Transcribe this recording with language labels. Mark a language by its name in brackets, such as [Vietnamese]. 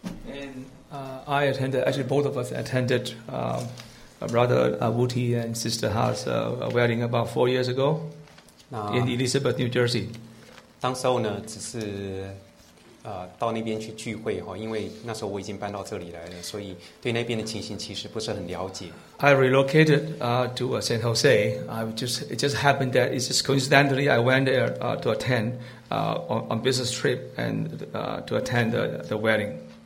[English] And I attended, actually both of us attended Brother Vooty and Sister Ha's wedding about 4 years ago in Elizabeth, New Jersey. [Chinese] 当时候呢只是 到那边去聚会，因为那时候我已经搬到这里来了，所以对那边的情形其实不是很了解。 [English] I relocated to San Jose. It just happened that it's just coincidentally I went there to attend on business trip and to attend the wedding.